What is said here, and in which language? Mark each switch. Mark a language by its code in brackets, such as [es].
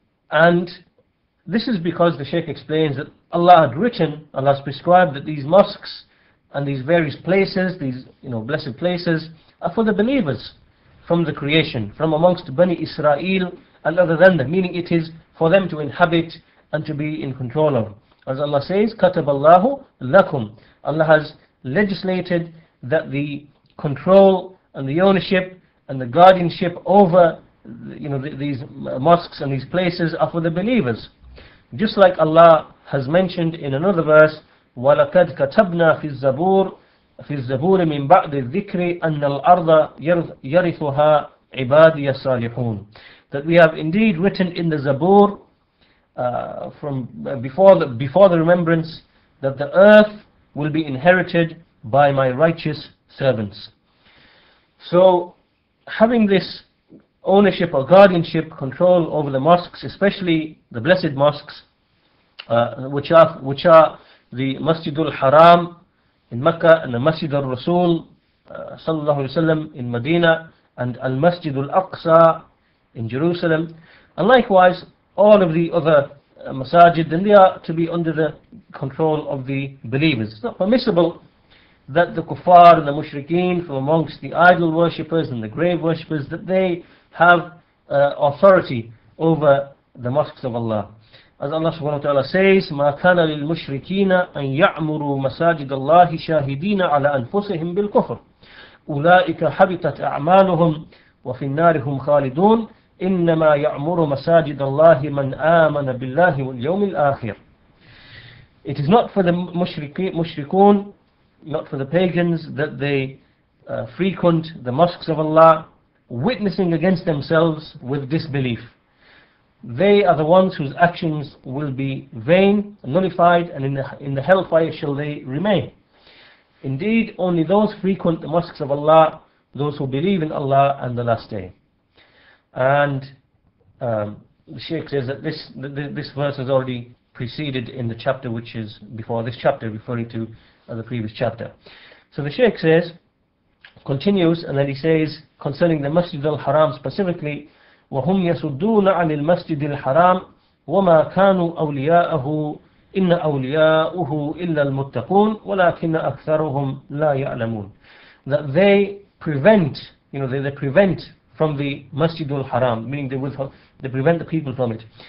[en] And this is because the Shaykh explains that Allah had written, Allah has prescribed that these mosques and these various places, these blessed places, are for the believers from the creation, from amongst Bani Israel and other than them, meaning it is for them to inhabit and to be in control of. As Allah says, [ar] كَتَبَ اللَّهُ لَكُمْ. [en] Allah has legislated that the control and the ownership and the guardianship over these mosques and these places are for the believers. Just like Allah has mentioned in another verse, [ar] وَلَقَدْ كَتَبْنَا فِي الزَّبُورِ في الزبور من بعد الذكر أن الأرض يرثها عبادي الصالحون. [en] That we have indeed written in the Zabur from before the remembrance that the earth will be inherited by my righteous servants. So having this ownership or guardianship, control over the mosques, especially the blessed mosques, which are the Masjidul Haram in Mecca, and the Masjid al-Rasul sallallahu alayhi wa sallam in Medina, and al-Masjid al-Aqsa in Jerusalem, and likewise all of the other masajid, then they are to be under the control of the believers. It's not permissible that the kuffar and the mushrikeen from amongst the idol worshippers and the grave worshippers, that they have authority over the mosques of Allah. As Allah subhanahu wa ta'ala says, [ar] مَا كَانَ لِلْمُشْرِكِينَ أَنْ يَعْمُرُوا مَسَاجِدَ اللَّهِ شَاهِدِينَ عَلَىٰ أَنفُسِهِمْ بِالْكُفْرِ أُولَٰئِكَ حَبِطَتْ أَعْمَالُهُمْ وَفِي النَّارِ هُمْ خَالِدُونَ إِنَّمَا يَعْمُرُ مَسَاجِدَ اللَّهِ مَنْ آمَنَ بِاللَّهِ وَالْيَوْمِ الْآخِرِ. [en] It is not for the mushrikun, not for the pagans, that they frequent the mosques of Allah, witnessing against themselves with disbelief. They are the ones whose actions will be vain, nullified, and in the hellfire shall they remain. Indeed, only those frequent the mosques of Allah, those who believe in Allah and the Last Day. And the Shaykh says that this verse has already preceded in the chapter which is before this chapter, referring to the previous chapter. So the Shaykh says, continues, and then he says, concerning the Masjid al-Haram specifically, [ar] وَهُمْ يَسُدُّونَ عَنِ الْمَسْجِدِ الْحَرَامِ وَمَا كَانُوا أَوْلِيَاءَهُ إِنَّ أَوْلِيَاءُهُ إِلَّا الْمُتَّقُونَ وَلَكِنَّ أَكْثَرُهُمْ لَا يَعْلَمُونَ. [en] That they prevent, they prevent from the Masjid al-Haram, meaning they prevent the people from it.